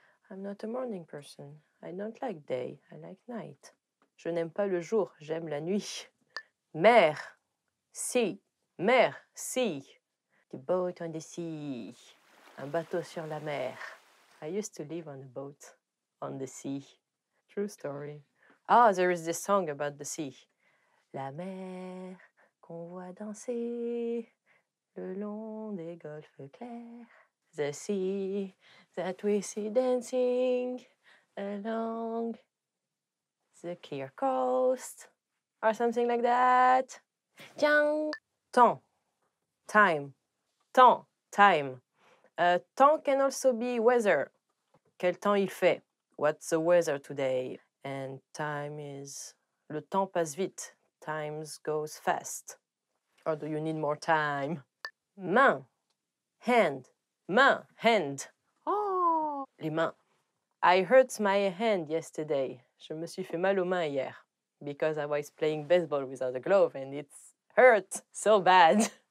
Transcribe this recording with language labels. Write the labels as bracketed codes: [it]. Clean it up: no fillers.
[en] I'm not a morning person. I don't like day. I like night. [fr] Je n'aime pas le jour. J'aime la nuit. [en] Mer. Sea. Mer. Sea. The boat on the sea. [fr] Un bateau sur la mer. [en] I used to live on a boat on the sea. True story. Ah, oh, there is this song about the sea. [fr] La mer qu'on voit danser le long des golfes clairs. [en] The sea that we see dancing along the clear coast, or something like that. [fr] Tiens. Temps, time, temps, time. [en] Temps can also be weather. [fr] Quel temps il fait? [en] What's the weather today? And time is... [fr] Le temps passe vite. [en] Time goes fast. Or do you need more time? [fr] Main, hand, main, hand. Oh. [en] Les mains. I hurt my hand yesterday. [fr] Je me suis fait mal aux mains hier. [en] Because I was playing baseball without a glove and it hurt so bad.